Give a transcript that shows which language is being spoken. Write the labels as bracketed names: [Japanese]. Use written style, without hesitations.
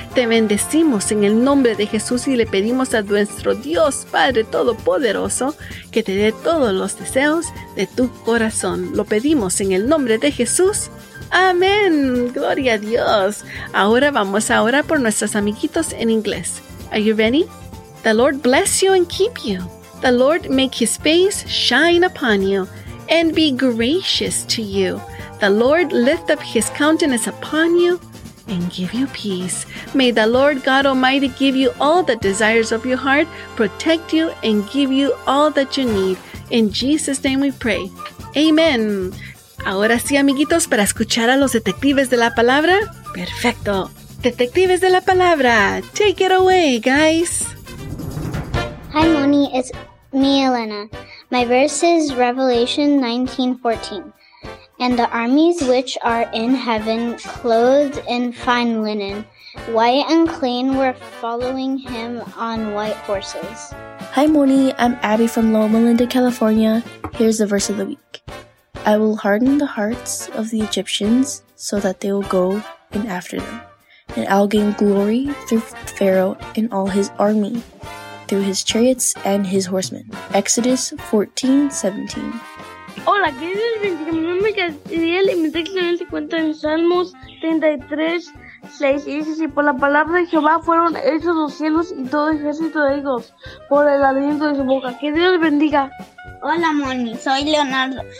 [Spanish] Te bendecimos en el nombre de Jesús y le pedimos a nuestro Dios Padre Todopoderoso que te dé todos los deseos de tu corazón. Lo pedimos en el nombre de Jesús. ¡Amén! ¡Gloria a Dios! Ahora vamos a orar por nuestros amiguitos en inglés. [English] Are you ready? The Lord bless you and keep you. The Lord make His face shine upon you and be gracious to you. The Lord lift up His countenance upon you and give you peace. May the Lord God Almighty give you all the desires of your heart, protect you, and give you all that you need. In Jesus' name we pray. Amen. [Spanish] Ahora sí, amiguitos, para escuchar a los detectives de la palabra. Perfecto. Detectives de la palabra. [English] Take it away, guys. Hi, Moni. It's me, Elena. My verse is Revelation 19:14. And the armies which are in heaven, clothed in fine linen, white and clean, were following him on white horses. Hi, Moni. I'm Abby from Loma Linda, California. Here's the verse of the week. I will harden the hearts of the Egyptians so that they will go in after them. And I'll gain glory through Pharaoh and all his army, through his chariots and his horsemen. Exodus 14:17. [Spanish] Hola, queridos, les bendiga. Mi nombre es Gabriel y mi texto se encuentra en Salmos 33:6. Y dice: si por la palabra de Jehová fueron hechos los cielos y todo el ejército de ellos, por el aliento de su boca. Que Dios les bendiga. Hola, Moni, soy Leonardo.